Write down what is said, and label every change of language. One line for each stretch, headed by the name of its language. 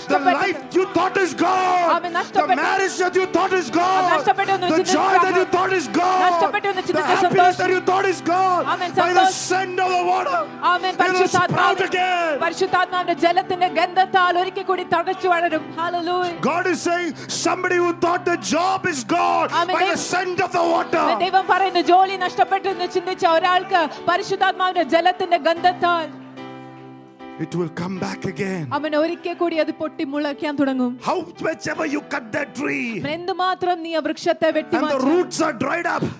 English: The life you thought is gone. Amen. The marriage that you thought is gone. Amen. The joy that you thought is gone. The happiness that you thought is gone. Amen. By the scent of the water. Amen. It will sprout again.
Malayalam: പരിശുദ്ധാത്മാവിന്റെ ജലത്തിന്റെ ഗന്ധത്താൽ ഒരിക്കൽ കൂടി തഴച്ചു വളരും.
English: Hallelujah. God is saying, somebody who thought the job is gone. Amen. By the scent of the water.
Malayalam: ദൈവം പറയുന്നു, ജോലി നഷ്ടപ്പെട്ടു എന്ന് ചിന്തിച്ച ഒരാൾക്ക് പരിശുദ്ധാത്മാവിന്റെ ജലത്തിന്റെ ഗന്ധത്താൽ
English: it will come back again.
Malayalam: അവനെ ഒരിക്കേ കൂടി അത് പൊട്ടി മുളയ്ക്കാൻ തുടങ്ങും.
English: How much ever you cut that tree.
Malayalam: എന്തു മാത്രം നീ ആ വൃക്ഷത്തെ വെട്ടിമാറ്റി.
English: And the roots are dried up.